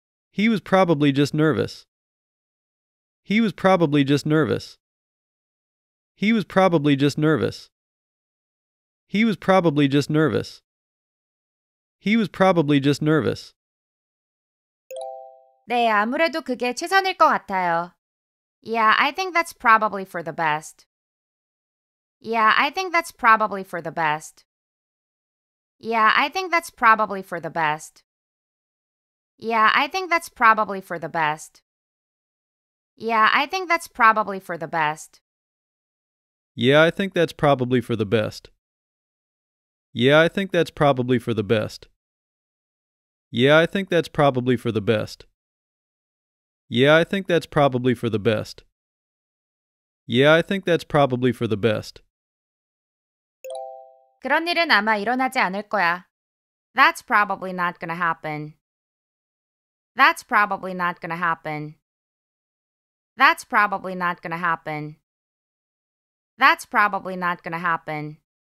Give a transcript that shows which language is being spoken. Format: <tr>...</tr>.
<en>He was probably just nervous. He was probably just nervous. He was probably just nervous. He was probably just nervous. He was probably just nervous.</en> <ko>네, 아무래도 그게 최선일 것 같아요.</ko> <en>Yeah, I think that's probably for the best. Yeah, I think that's probably for the best. Yeah, I think that's probably for the best. Yeah, I think that's probably for the best. Yeah, I think that's probably for the best. Yeah, I think that's probably for the best. Yeah, I think that's probably for the best. Yeah, I think that's probably for the best. Yeah, I think that's probably for the best. Yeah, I think that's probably for the best.</en> <ko>그런 일은 아마 일어나지 않을 거야.</ko> <en>That's probably not gonna happen. That's probably not gonna happen. That's probably not gonna happen. That's probably not gonna happen.</en>